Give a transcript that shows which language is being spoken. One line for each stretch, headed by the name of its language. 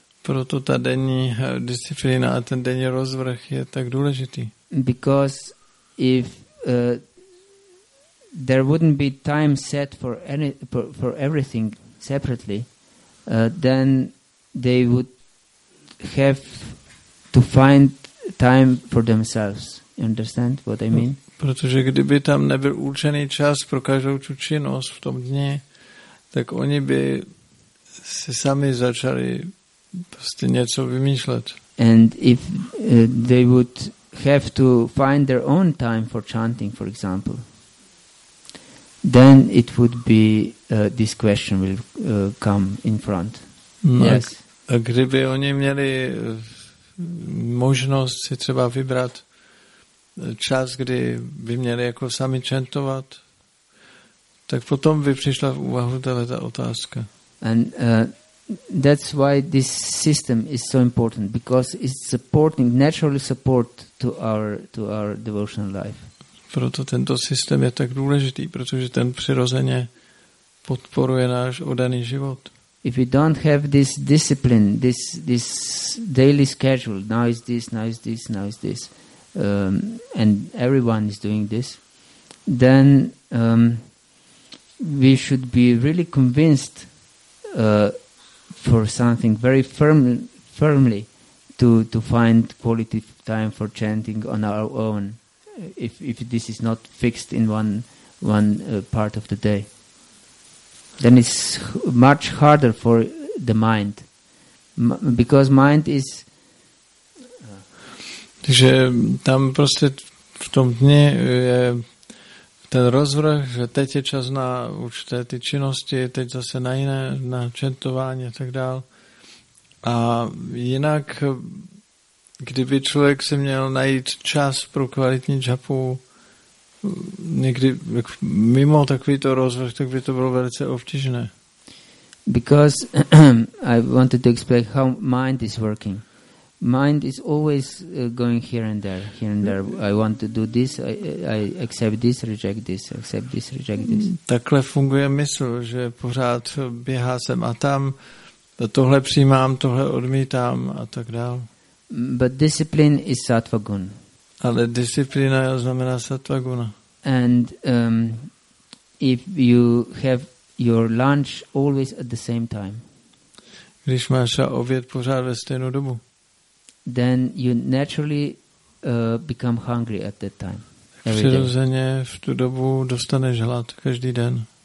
Czech: Proto ta denní disciplína a ten denní rozvrh je tak důležitý.
English: Because if there wouldn't be time set for everything separately, then they would have to find time for themselves. You understand what I mean?
Czech: Protože kdyby tam nebyl určený čas pro každou tu činnost v tom dni, tak oni by si sami začali prostě něco vymýšlet.
English: And if they would have to find their own time for chanting, for example, then it would be this question will come in front. Yes.
Czech: A kdyby oni měli možnost si třeba vybrat čas, kdy by měli jako sami čentovat, tak potom by přišla v úvahu ta otázka.
English: And that's why this system is so important, because it's supporting, naturally support to our devotional life.
Czech: Proto tento systém je tak důležitý, protože ten přirozeně podporuje náš oddaný život.
English: If you don't have this discipline, this daily schedule, now is this, now is this, now is this, and everyone is doing this, then we should be really convinced for something very firmly to find quality time for chanting on our own, if this is not fixed in one part of the day. Then it's much harder for the mind, because mind is.
Czech: Takže tam prostě v tom dni je ten rozvrh, že teď je čas na určité ty činnosti, teď zase na jiné, na čentování a tak dál. A jinak, kdyby člověk si měl najít čas pro kvalitní džapu, někdy mimo takovýto rozvrh, tak by to bylo velice obtížné.
English: Because I wanted to explain how mind is working. Mind is always going here and there. I want to do this, I accept this, reject this, accept this, reject this.
Czech: Takhle funguje mysl, že pořád běhá sem a tam, tohle přijímám, tohle odmítám a tak dál.
English: But discipline is sattva gun.
Czech: Ale disciplína znamená sattva guna.
English: And if you have your lunch always at the same time,
Czech: když máš oběd pořád ve stejnou dobu,
English: then you naturally become hungry at that time.
Czech: Přirozeně v tu dobu dostaneš hlad každý den.